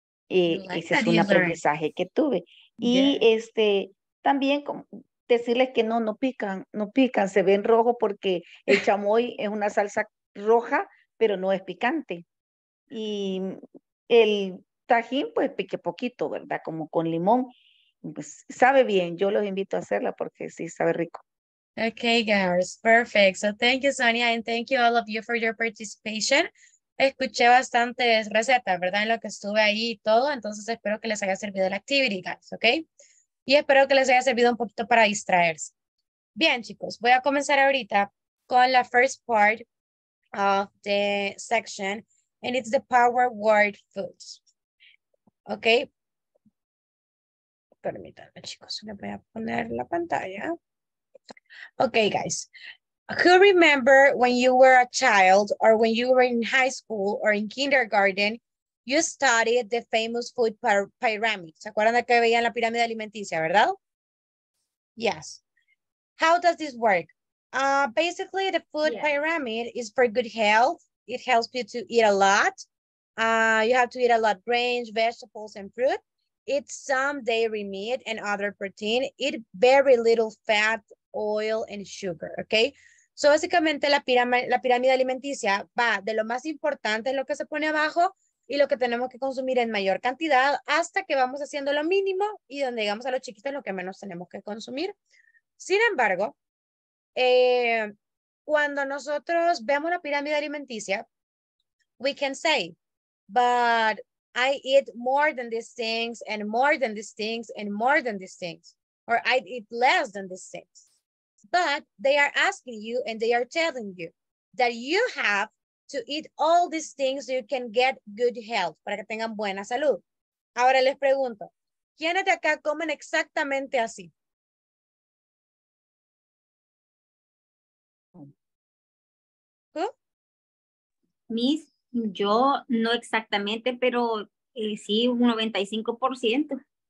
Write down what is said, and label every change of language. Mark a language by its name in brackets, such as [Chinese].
[Spanish] Ese es un aprendizaje que tuve. Y también decirles que no pican, se ven rojos porque el chamoy es una salsa roja, pero no es picante. Y el tajín, pues pique poquito, ¿verdad? Como con limón. Pues sabe bien, yo los invito a hacerla porque sí sabe rico. [English] Okay, guys, perfect. So thank you, Sonia, and thank you all of you for your participation. [Spanish] Escuché bastantes recetas, ¿verdad? En lo que estuve ahí y todo, entonces espero que les haya servido la [English] activity, guys, [Spanish] ¿ok? Y espero que les haya servido un poquito para distraerse. Bien, chicos, voy a comenzar ahorita con la [English] first part of the section, and it's the power word foods, [Spanish] ¿ok? Permítanme, chicos, le voy a poner la pantalla. [English] Ok, guys. Who remember when you were a child or when you were in high school or in kindergarten, you studied the famous food pyramid? [Spanish] ¿Se acuerdan de que veían la pirámide alimenticia, verdad? [English] Yes. How does this work? Basically, the food pyramid is for good health. It helps you to eat a lot. You have to eat a lot of grains, vegetables, and fruit. It's some dairy meat and other protein. Eat very little fat, oil, and sugar, okay? [Spanish] So básicamente la pirámide alimenticia va de lo más importante, lo que se pone abajo, y lo que tenemos que consumir en mayor cantidad, hasta que vamos haciendo lo mínimo y donde llegamos a los chiquitos lo que menos tenemos que consumir. Sin embargo, cuando nosotros vemos la pirámide alimenticia, [English] we can say, but I eat more than these things, and more than these things, and more than these things, or I eat less than these things. But they are asking you and they are telling you that you have to eat all these things so you can get good health, [Spanish] para que tengan buena salud. Ahora les pregunto, ¿quiénes de acá comen exactamente así? [English] ¿Who? [Spanish] Miss, yo no exactamente, pero sí, un 95%.